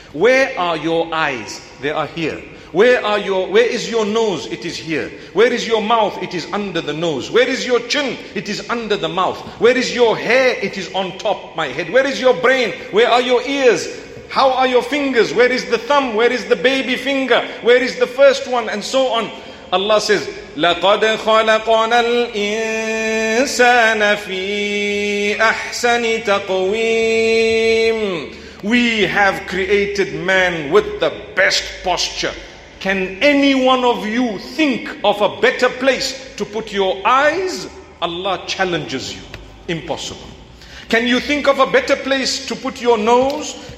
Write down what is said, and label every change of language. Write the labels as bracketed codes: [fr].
[en] Where are your eyes? They are here. Where is your nose? It is here. Where is your mouth? It is under the nose. Where is your chin? It is under the mouth. Where is your hair? It is on top of my head. Where is your brain? Where are your ears? How are your fingers? Where is the thumb? Where is the baby finger? Where is the first one? And so on. Allah says, [ar] لَقَدْ خَلَقْنَا الْإِنسَانَ فِي أَحْسَنِ تَقْوِيمٍ. [en] We have created man with the best posture. Can any one of you think of a better place to put your eyes? Allah challenges you. Impossible. Can you think of a better place to put your nose?